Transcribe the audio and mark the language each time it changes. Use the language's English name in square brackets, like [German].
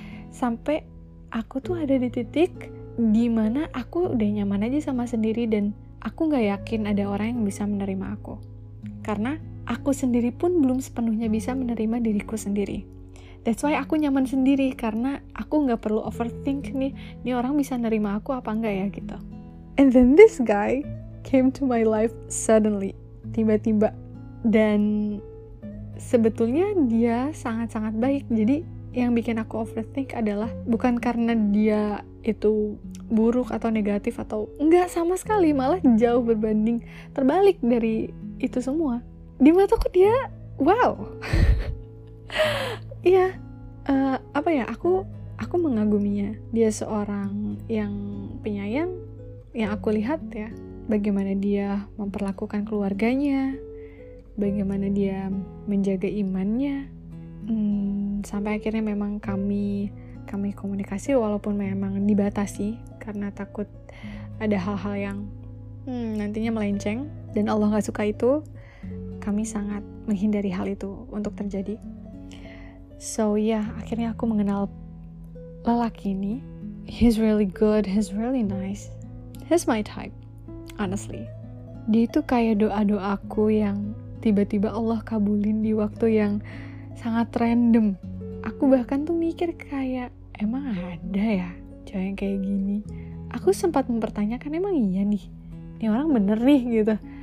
[Indonesian] Sampai aku tuh ada di titik dimana aku udah nyaman aja sama sendiri dan aku gak yakin ada orang yang bisa menerima aku. Karena aku sendiri pun belum sepenuhnya bisa menerima diriku sendiri. [English] That's why [Indonesian] aku nyaman sendiri, karena aku gak perlu overthink nih, ini orang bisa nerima aku apa enggak ya gitu. [English] And then this guy came to my life suddenly. [Indonesian] Tiba-tiba dan sebetulnya dia sangat-sangat baik. Jadi yang bikin aku overthink adalah bukan karena dia itu buruk atau negatif atau enggak sama sekali, malah jauh berbanding terbalik dari itu semua. Di mataku dia wow. Iya, apa ya, aku mengaguminya. Dia seorang yang penyayang, yang aku lihat ya bagaimana dia memperlakukan keluarganya, bagaimana dia menjaga imannya. Sampai akhirnya memang kami komunikasi, walaupun memang dibatasi karena takut ada hal-hal yang nantinya melenceng dan Allah gak suka itu. Kami sangat menghindari hal itu untuk terjadi. [English] So yeah, [Indonesian] akhirnya aku mengenal lelaki ini. [English] He's really good, he's really nice. He's my type, honestly. [Indonesian] Dia itu kayak doa-doaku yang tiba-tiba Allah kabulin di waktu yang sangat random. Aku bahkan tuh mikir kayak, emang ada ya cowok yang kayak gini? Aku sempat mempertanyakan, emang iya nih? Ini orang bener nih, gitu.